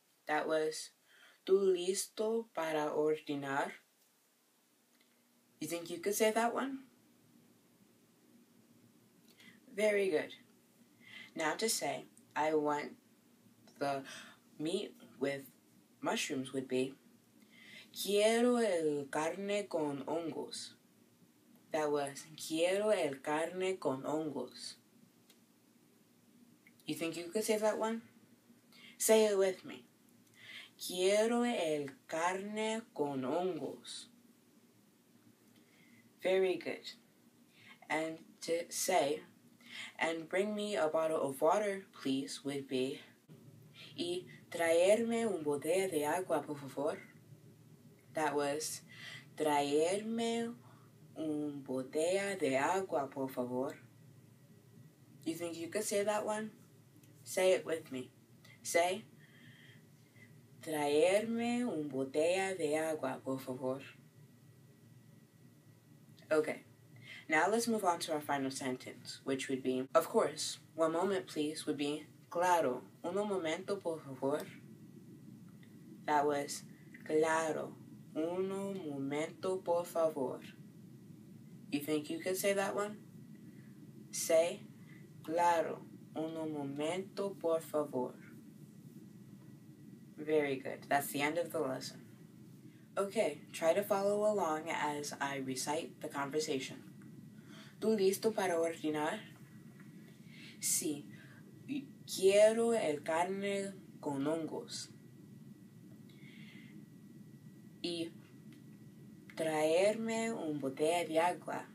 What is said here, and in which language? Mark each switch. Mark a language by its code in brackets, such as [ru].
[en] That was, [es] ¿Tú listo para ordenar? [en] You think you could say that one? Very good. Now to say, I want the meat with mushrooms would be, [es] Quiero el carne con hongos. [en] That was, [es] quiero el carne con hongos. [en] You think you could say that one? Say it with me. [es] Quiero el carne con hongos. [en] Very good. And to say, and bring me a bottle of water, please, would be, [es] y traerme un bote de agua, por favor. [en] That was, [es] traerme un botella de agua, por favor. [en] You think you could say that one? Say it with me. Say, [es] traerme un botella de agua, por favor. [en] Okay, now let's move on to our final sentence, which would be, of course, one moment, please, would be, [es] claro, uno momento, por favor. [en] That was, [es] claro, uno momento, por favor. [en] You think you could say that one? Say, [es] claro, uno momento, por favor. [en] Very good. That's the end of the lesson. Okay, try to follow along as I recite the conversation. [es] ¿Tú listo para ordenar? Sí, quiero el carne con hongos. Y traerme un botella de agua.